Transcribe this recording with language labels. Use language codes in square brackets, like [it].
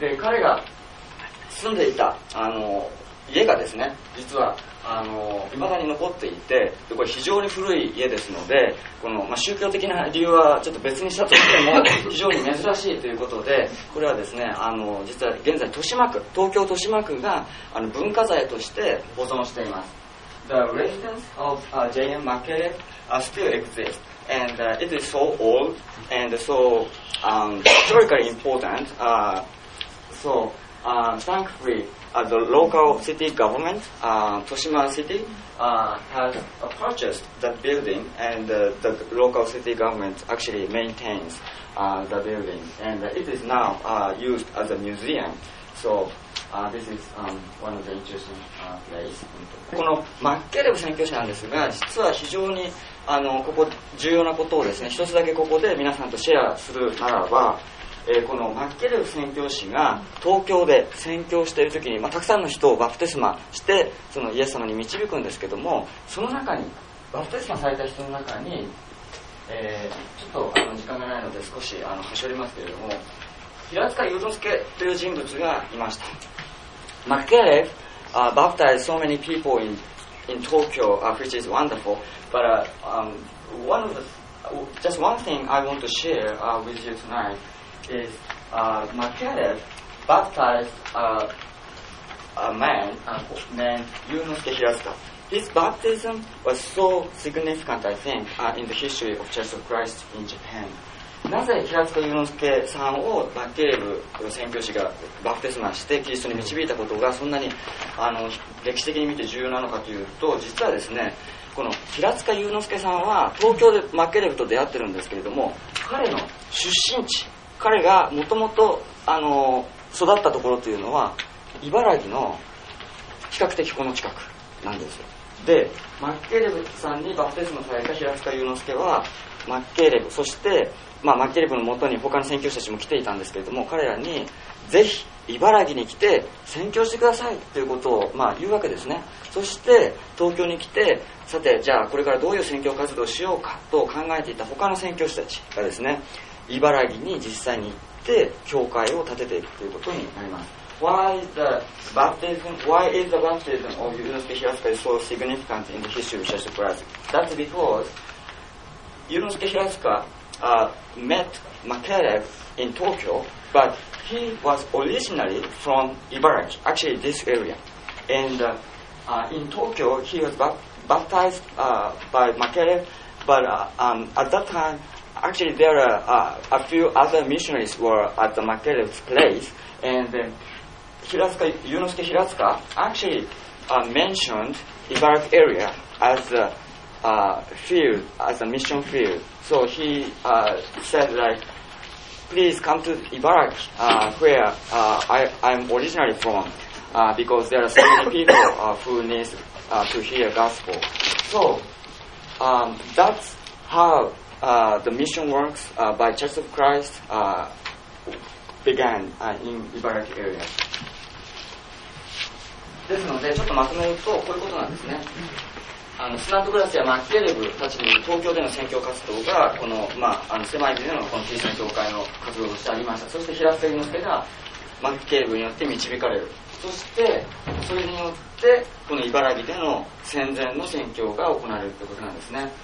[ja] で、彼が住んでいた家がですね、実はいまだに残っていて、これ非常に古い家ですので、この、宗教的な理由はちょっと別にしたとしても非常に珍しいということで、これはですね、実は現在豊島区、東京豊島区が文化財として保存しています。 [en] The residence of J.M. McKay still exists, and it is so old and so historically important. So thankfully. The local city government, Toshima City, has purchased the building, and the local city government actually maintains the building, and it is now used as a museum. So this is one of the interesting places. [ja] このマッケレブ宣教師なんですが、実は非常にここ重要なことをですね、一つだけここで皆さんとシェアするならば。このマッケレフ宣教師が東京で宣教しているときに、たくさんの人をバプテスマしてそのイエス様に導くんですけども、その中にバプテスマされた人の中に、ちょっと時間がないので少し端折りますけれども、平塚雄之介という人物がいました。 [en] Makarev baptized so many people in Tokyo, which is wonderful. But one thing I want to share with you tonight is Makarev baptized a man Yunosuke Hirasuka. His baptism was so significant, I think, in the history of Church of Christ in Japan. [ja] なぜ平塚雄之介さんをマッケレブ宣教師がバプテスマしてキリストに導いたことがそんなに歴史的に見て重要なのかというと、実はですね、この平塚雄之介さんは東京でマッケレブと出会ってるんですけれども、彼の出身地、彼がもともと育ったところというのは茨城の比較的この近くなんですよ。でマッケレブさんにバプテスマされた平塚雄之介はマッケレブ、そしてマッケレブのもとに他の宣教師たちも来ていたんですけれども、彼らにぜひ茨城に来て宣教してくださいということを言うわけですね。そして東京に来て、さてじゃあこれからどういう宣教活動をしようかと考えていた他の宣教師たちがですね、茨城に実際に行って教会を建てていくということになります。 [en] Why is the baptism of Yunosuke Hirasuka so significant in the history of Church of Christ? That's because Yunosuke Hirasuka met Makarev in Tokyo, but he was originally from Ibaraki, actually this area. And in Tokyo, he was baptized by Makarev, but at that time, actually there are a few other missionaries were at the Makarev's place, and then Hirasuka, Yunosuke Hirasuka actually mentioned Ibaraki area as a field, as a mission field. So he said like, please come to Ibaraki, where I'm originally from, because there are so many people who need to hear gospel. So that's how the mission works by Church of Christ began in Ibaraki area. [ja] ですので、ちょっとまとめると、こういうことなんですね。スナントグラスやマッケレブたちに東京での宣教活動が、この、狭い部での、この小さな教会の活動としてありました。そして、平瀬雄之介が、マッケレブによって導かれる。そして、それによって、この茨城での戦前の宣教が行われるということなんですね。